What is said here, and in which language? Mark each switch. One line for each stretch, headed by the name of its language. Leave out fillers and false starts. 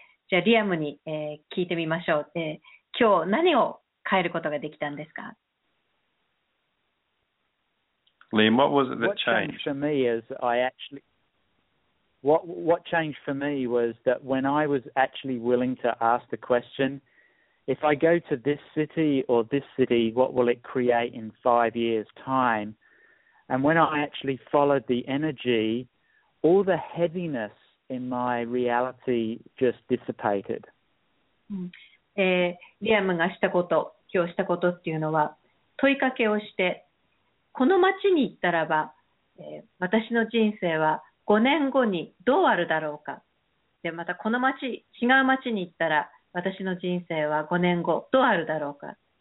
Japanese: じゃあリアムに、聞いてみましょう。今日何を変えることができたんですか？
English: Liam, what was it that changed? What changed for me is I actually... What changed for me was that when I was actually willing to ask the question... If I go to this city or this city, what will it create in 5 years' time? And when I actually followed the energy, all the heaviness in my reality just dissipated.
Japanese: リアムがしたこと、今日したことっていうのは、問いかけをして、この町に行ったらば、私の人生は5年後にどうあるだろうか。で、またこの町、違う町に行ったら、私の人生は5年後どうあるだろうか。